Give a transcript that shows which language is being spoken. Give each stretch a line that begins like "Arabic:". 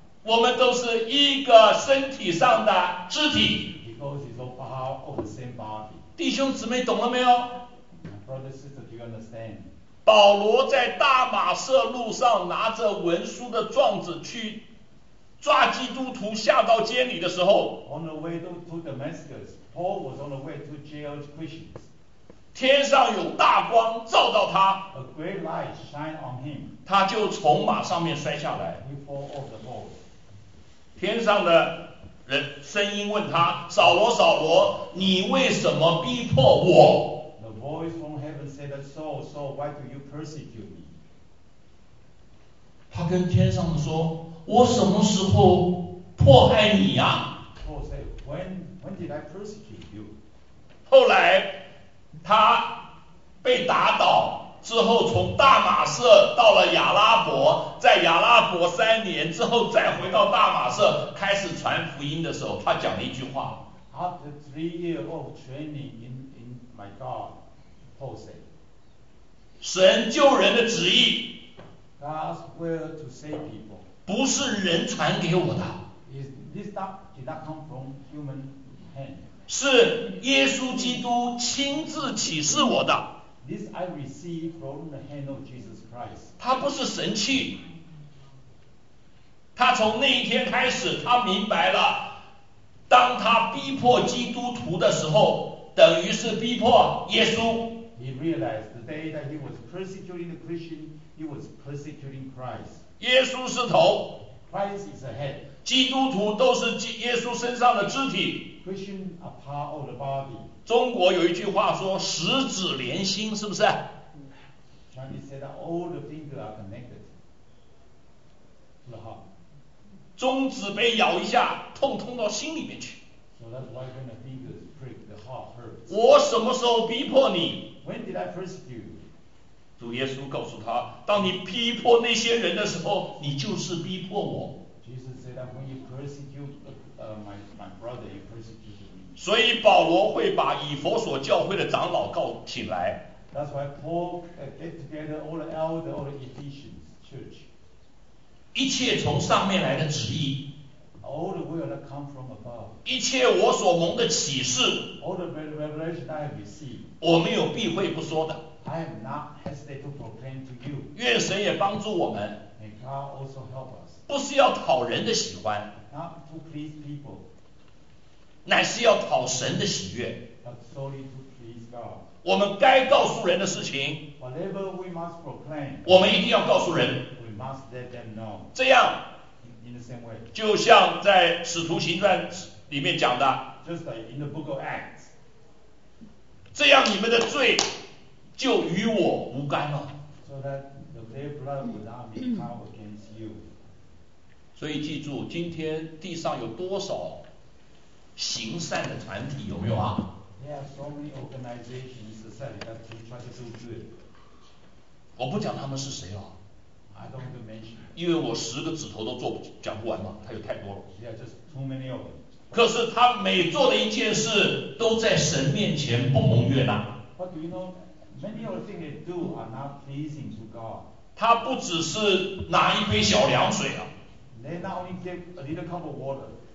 Chinese: 我们都是一个身体上的肢体
English: Because it's all part of the same body
Chinese: 弟兄姊妹懂了没有
English: My brother sister do you understand?
Chinese: 保罗在大马色路上拿着文书的状子去抓基督徒下到监里的时候
English: On the way to Damascus, Paul was on the way to jail Christians.
Chinese: 天上有大光照到他
English: A great light shined on him.
Chinese: 他就从马上面摔下来
English: He fell off the horse.
Chinese: 天上的人声音问他扫罗扫罗你为什么逼迫我
English: Voice from heaven said that Saul, Saul, why do you persecute me?
Chinese: 他跟天上说，我什么时候迫害你呀？
English: Paul said, when did I persecute you?
Chinese: 后来他被打倒之后，从大马色到了亚拉伯，在亚拉伯三年之后，再回到大马色开始传福音的时候，他讲了一句话。
English: After 3 years of training in my God. Paul said,
Chinese: 神救人的旨意
English: God's will to save people
Chinese: 不是人传给我的
English: This did not come from human hand
Chinese: 是耶稣基督亲自启示我的
English: This I received from the hand of Jesus Christ
Chinese: 他不是神器他从那一天开始他明白了当他逼迫基督徒的时候等于是逼迫耶稣
English: He realized the day that he was persecuting the Christian, he was persecuting Christ.
Chinese: 耶稣是头
English: Christ is the head.
Chinese: 基督徒都是耶稣身上的肢体
English: Christian are part of the body.
Chinese: 中国有一句话说十指连心是不是
English: Chinese said that all the fingers are connected to the heart.
Chinese: 中指被咬一下痛痛到心里面去
English: So that's why when the fingers prick, the heart hurts.
Chinese: 我什么时候逼迫你
English: When did I persecute?
Chinese: 主耶稣告诉他，当你逼迫那些人的时候，你就是逼迫我。
English: Jesus said that when you persecute my brother, you persecuted me.
Chinese: 所以保罗会把以弗所教会的长老告请来。
English: That's why Paul get together all the elders, all the Ephesians church.
Chinese: 一切从上面来的旨意。
English: All the will that come from above.
Chinese: 一切我所蒙的启示。
English: All the revelation I have received.
Chinese: 我没有避讳不说的。
English: I am not hesitant to proclaim to you.
Chinese: 愿神也帮助我们。
English: May God also help us.
Chinese: 不是要讨人的喜欢。
English: Not to please people.
Chinese: 乃是要讨神的喜悦。
English: God,
Chinese: 我们该告诉人的事情
English: whatever we must proclaim,
Chinese: 我们一定要告诉人。
English: We must let them know.
Chinese: 这样
English: in the same way.
Chinese: 就像在使徒行传里面讲的
English: Just like in the book of Acts.
Chinese: 这样你们的罪就与我无干了。
English: So that the their blood would not be count against you.
Chinese: 所以记住今天地上有多少行善的团体有没有啊
English: ？There are so many organizations that try to do good.
Chinese: 我不讲他们是谁了。
English: I don't even mention.
Chinese: 因为我十个指头都做讲不完嘛，它有太多了。
English: Yeah, just too many of them.
Chinese: 可是他每做的一件事都在神面前不蒙悦纳。
English: But do you know many of the things they do are not pleasing to God?
Chinese: 他不只是拿一杯小凉水啊。
English: They not only get a little cup of water.